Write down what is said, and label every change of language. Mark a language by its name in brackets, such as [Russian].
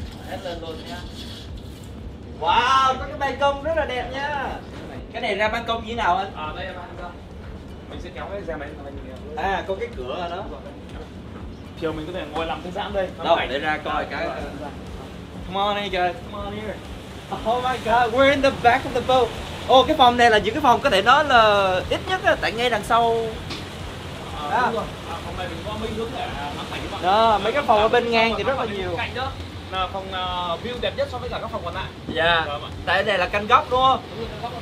[Vietnamese] Hết lên luôn nha. Wow, có cái ban công rất là đẹp nha. Cái này ra ban công như thế nào anh? À, đây là ban công. Mình sẽ kéo cái rèm này lên cho mình. À, có cái cửa ở đó. Thường mình có thể ngồi làm thư giãn đây. Đâu, để ra coi cái. [English] Come on in, guys. Come on here. Oh my god, we're in the back of the boat. [Vietnamese] Ồ, cái phòng này là những cái phòng có thể nói là ít nhất là tại ngay đằng sau. Phòng này mình có mấy hướng để ngắm cảnh các bạn. Mấy cái phòng ở bên ngang thì rất là nhiều. Cạnh đó là phòng view đẹp nhất so với cả các phòng còn lại. Dạ. Tại đây là căn góc đúng không? Đúng rồi, căn góc các